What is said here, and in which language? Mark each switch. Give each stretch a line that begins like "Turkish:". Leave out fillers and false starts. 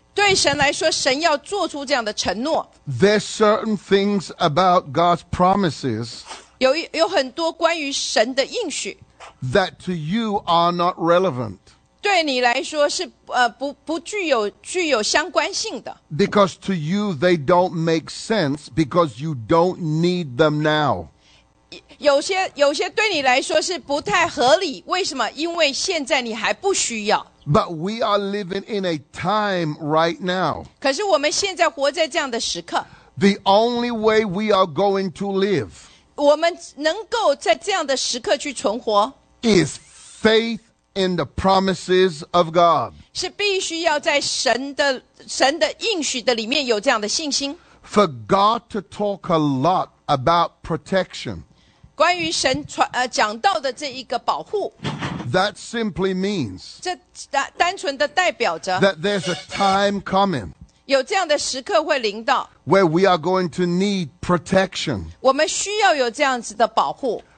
Chinese: 对神来说，神要做出这样的承诺。
English: There's certain things about God's promises,
Chinese: 有很多关于神的应许
English: that to you are not relevant.
Chinese: 对你来说是不具有相关性的。
English: Because to you they don't make sense because you don't need them now.
Chinese: 有些对你来说是不太合理，为什么？因为现在你还不需要。
English: But we are living in a time right now.
Chinese: 可是我们现在活在这样的时刻。
English: The only way we are going to live.
Chinese: 我们能够在这样的时刻去存活。
English: Is faith. In the promises of God.
Chinese: 是必须要在神的应许的里面有这样的信心。
English: For God to talk a lot about protection.
Chinese: 关于神讲到的这一个保护。
English: That simply means.
Chinese: 这单纯的代表着。
English: That there's a time coming.
Chinese: 有这样的时刻会临到。
English: Where we are going to need protection.
Chinese: 我们需要有这样子的保护。